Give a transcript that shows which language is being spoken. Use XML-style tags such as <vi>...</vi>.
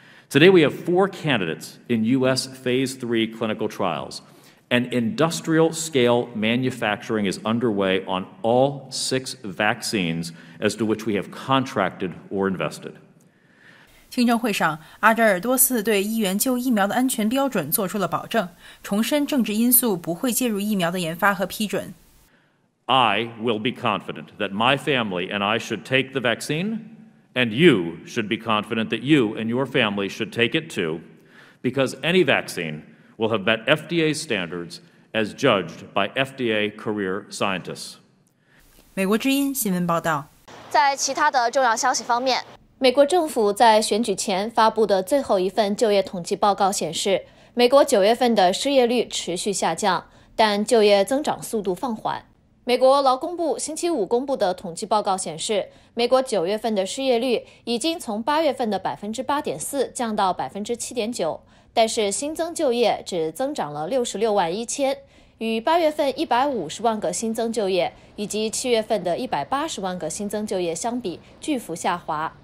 <en>Today we have four candidates in U.S. Phase 3 clinical trials, and industrial-scale manufacturing is underway on all six vaccines as to which we have contracted or invested.</en> <zh>听证会上，阿扎尔多次对议员就疫苗的安全标准做出了保证，重申政治因素不会介入疫苗的研发和批准。</zh> <en>I will be confident that my family and I should take the vaccine. And you should be confident that you and your family should take it too, because any vaccine will have met FDA standards as judged by FDA career scientists.</en> <zh>美国之音新闻报道。在其他的重要消息方面，美国政府在选举前发布的最后一份就业统计报告显示，美国九月份的失业率持续下降，但就业增长速度放缓。美国劳工部星期五公布的统计报告显示，美国九月份的失业率已经从八月份的8.4%降到7.9%，但是新增就业只增长了661,000，与八月份1,500,000个新增就业以及七月份的1,800,000个新增就业相比，巨幅下滑。</zh>